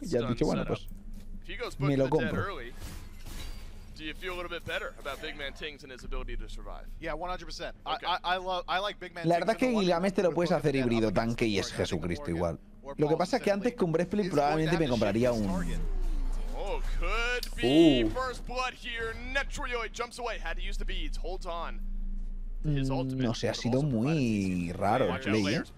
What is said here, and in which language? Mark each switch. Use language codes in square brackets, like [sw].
[es] Y ha dicho bueno, pues me lo compro. [en] Do you feel a little bit better about Big Man Ting's and his ability to survive? Yeah, 100%. Okay. I love, I like Big Man. [es] La verdad es que Gilgamesh te lo puedes hacer híbrido tanque y es Jesucristo igual. Lo que pasa es que antes que un Breastplate probablemente me compraría un. [en] Oh, could be first blood here. Netrioid jumps away. Had to use the beads. Holds on. [es] No sé, ha sido muy raro el play,